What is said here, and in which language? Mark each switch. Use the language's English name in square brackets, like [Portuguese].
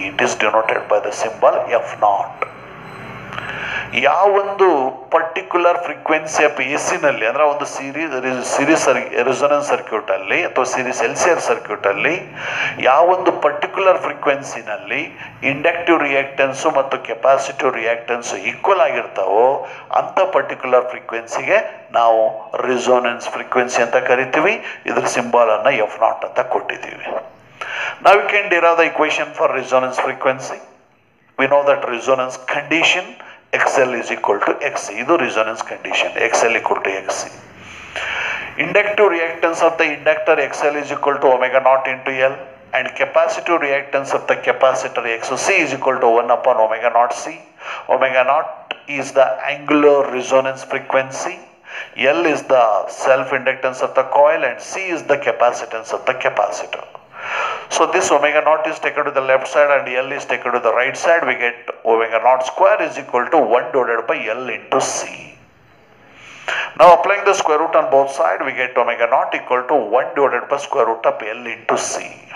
[English] It is denoted by the symbol F naught. [Kannada] ಯಾವ ಒಂದು particular frequency of ಎಸಿನಲ್ಲಿ ಅಂದರೆ ಒಂದು ಸೀರೀಸ್ ರೆಸೋನೆನ್ಸ್ ಸರ್ಕ್ಯೂಟಲ್ಲಿ ಅಥವಾ ಸೀರೀಸ್ ಎಲ್ಸಿಆರ್ ಸರ್ಕ್ಯೂಟಲ್ಲಿ ಯಾವ ಒಂದು ಪರ್ಟಿಕ್ಯುಲರ್ ಫ್ರೀಕ್ವೆನ್ಸಿನಲ್ಲಿ ಇಂಡಕ್ಟಿವ್ ರಿಯಾಕ್ಟನ್ಸು ಮತ್ತು ಕೆಪಾಸಿಟಿವ್ ರಿಯಾಕ್ಟನ್ಸು ಈಕ್ವಲ್ ಆಗಿರ್ತಾವೋ ಅಂಥ ಪರ್ಟಿಕ್ಯುಲರ್ ಫ್ರೀಕ್ವೆನ್ಸಿಗೆ ನಾವು ರೆಸೋನೆನ್ಸ್ ಫ್ರೀಕ್ವೆನ್ಸಿ ಅಂತ ಕರಿತೀವಿ. ಇದ್ರ ಸಿಂಬಾಲನ್ನು ಎಫ್ ನಾಟ್ ಅಂತ ಕೊಟ್ಟಿದ್ದೀವಿ. ನಾವು [English] Can derive the equation for resonance frequency. We know that resonance condition XL is equal to XC. [Kannada] ಇದು resonance condition, XL equal to XC. [English] Inductive reactance of the inductor XL is equal to omega naught into L, and capacitive reactance of the capacitor XC is equal to 1 upon omega naught C. Omega naught is the angular resonance frequency, L is the self inductance of the coil, and C is the capacitance of the capacitor. So this omega naught is taken to the left side and L is taken to the right side. We get omega naught square is equal to 1 divided by L into C. Now applying the square root on both sides, we get omega naught equal to 1 divided by square root of L into C.